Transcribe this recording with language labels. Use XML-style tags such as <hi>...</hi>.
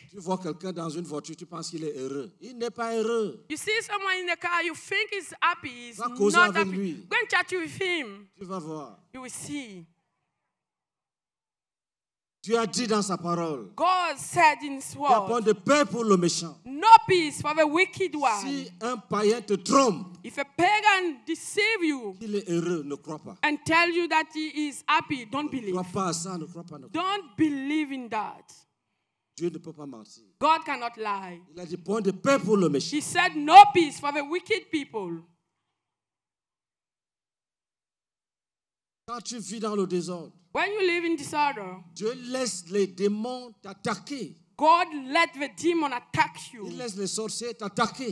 <fr>Tu vois quelqu'un dans une voiture, tu penses qu'il est heureux. Il n'est pas heureux.</fr> <en>You see someone in the car, you think he's happy, he's</en> <fr>Va</fr> <en>not</en> <fr>avec</fr> <en>happy.</en> <fr>Lui.</fr> <en>Go and chat with him.</en> <fr>Tu vas voir.</fr> <en>You will see.</en> <fr>Tu as dit dans sa parole.</fr> <en>God said in his word.</en> <fr>Il n'y a pas de paix pour le méchant.</fr> <en>No peace for the wicked one.</en> <fr>Si un païen te trompe.</fr> <en>If a pagan deceive you,</en> <fr>il est heureux, ne crois pas.</fr> <en>And tell you that he is happy, don't</en> <fr>ne</fr> <en>believe.</en> <fr>Crois pas à ça, ne crois pas, ne crois.</fr> <en>Don't believe in that.</en> <fr>Dieu ne peut pas mentir.</fr> <en>God cannot lie.</en> <fr>Il a dit point de paix pour le méchant.</fr> <en>He said no peace for the wicked people.</en> <fr>Quand tu vis dans le désordre,</fr> <en>when you live in disorder,</en> <fr>Dieu laisse les démons t'attaquer.</fr> <en>God let the demon attack you.</en> <fr>Il laisse les sorciers t'attaquer.</fr>